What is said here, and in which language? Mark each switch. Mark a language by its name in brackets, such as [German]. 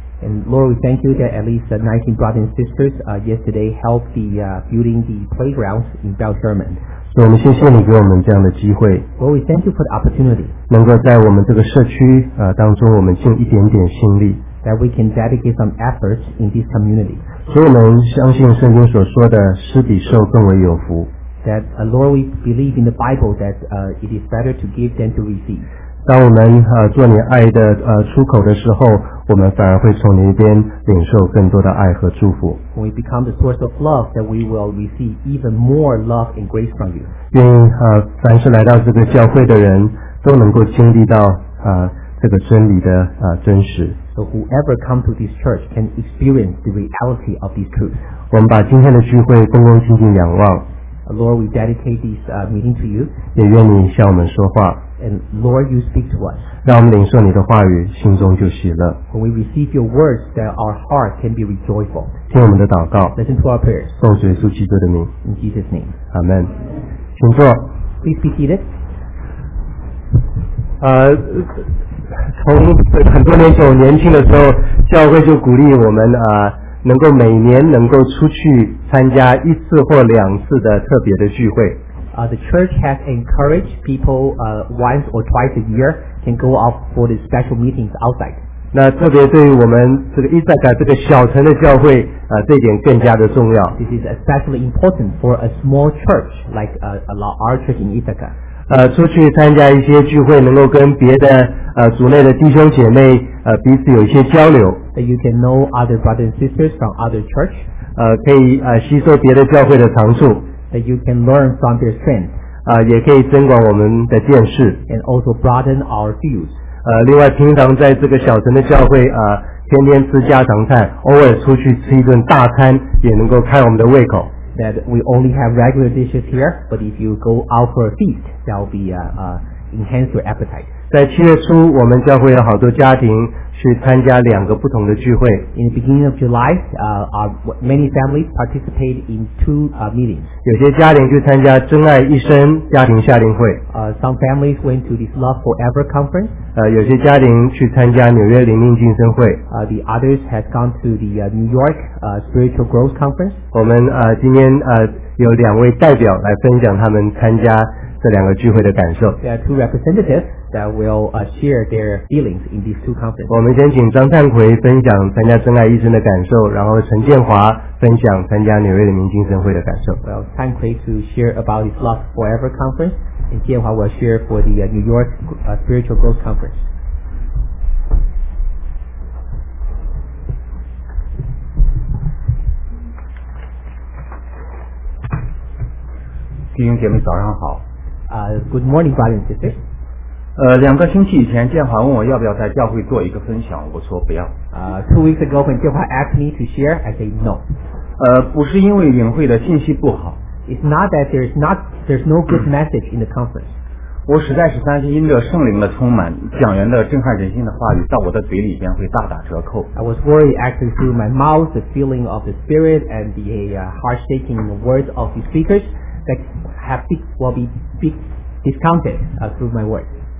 [English] And Lord, we thank you that at least 19 brothers and sisters yesterday helped the building the playgrounds in Bill Sherman. [Chinese] 所以我们谢谢你给我们这样的机会 [English] Lord, we thank you for the opportunity. [Chinese] 能够在我们这个社区当中我们尽一点点心力 [English] that we can dedicate some efforts in this community. [Chinese] 所以我们相信圣经所说的施比受更为有福 [English] that Lord, we believe in the Bible that it is better to give than to receive. [Chinese] 当我们做你爱的出口的时候我们反而会从你那边领受更多的爱和祝福 [English] When we become the source of love that we will receive even more love and grace from you [Chinese] 愿凡是来到这个教会的人都能够经历到这个真理的真实 [English] So whoever comes to this church can experience the reality of these truths [Chinese] 我们把今天的聚会恭恭敬敬仰望 [English] Lord we dedicate this meeting to you [Chinese] 也愿你向我们说话 [English] And Lord, you speak to us. [Chinese] 让我们领受你的话语，心中就喜乐。 [English] When we receive your words, that our heart can be rejoiceful. [Chinese] 听我们的祷告。 [English] Listen to our prayers. [Chinese] 奉主耶稣基督的名。 [English] In Jesus' name. [Chinese] Amen. 请坐。 [English] Please be seated. [Chinese] 从很多年前我年轻的时候，教会就鼓励我们能够每年能够出去参加一次或两次的特别的聚会。 [English] The church has encouraged people once or twice a year can go out for the special meetings outside. [Chinese] 那特别对于我们这个伊萨卡这个小城的教会这一点更加的重要。 [English] This is especially important for a small church like our church in Ithaca. [Chinese] 出去参加一些聚会，能够跟别的组内的弟兄姐妹彼此有一些交流。 [English] You can know other brothers and sisters from other church. [Chinese] 可以吸收别的教会的长处。 [English] That you can learn from their strength. [Chinese] 也可以增广我们的见识。 [English] And also broaden our views. [Chinese] 另外平常在这个小城的教会天天吃家常菜，偶尔出去吃一顿大餐，也能够开我们的胃口。 [English] That we only have regular dishes here, but if you go out for a feast, that will be enhance your appetite. [Chinese] 在七月初，我们教会有好多家庭去参加两个不同的聚会。 [English] In the beginning of July, many families participate in two meetings. [Chinese] 有些家庭去参加“真爱一生”家庭夏令会。 [English] Some families went to this Love Forever conference. [Chinese] 有些家庭去参加纽约灵命晋升会。 [English] The others has gone to the New York Spiritual Growth conference. [Chinese] 我们今天有两位代表来分享他们参加这两个聚会的感受。 [English] There are two representatives that will share their feelings in these two conferences. [Chinese] 我们先请张灿奎分享参加真爱医生的感受，然后陈建华分享参加纽约人民精神会的感受。 [English] Well, 灿奎 to share about his Love Forever conference, and 建华 will share for the New York Spiritual Growth conference. [Chinese] 弟兄姐妹早上好。 [English] Good morning, brothers and sisters. [Chinese] 两个星期以前，建华问我要不要在教会做一个分享，我说不要。 [English] Two weeks ago, when 建华 asked me to share, I said no. [Chinese] 不是因为领会的信息不好。 [English] It's not that there's no good message in the conference. [Chinese] 我实在是担心因着圣灵的充满，讲员的震撼人心的话语到我的嘴里边会大打折扣。 [English] I was worried actually through my mouth the feeling of the spirit and the heart shaking words of the speakers that will be discounted through my words.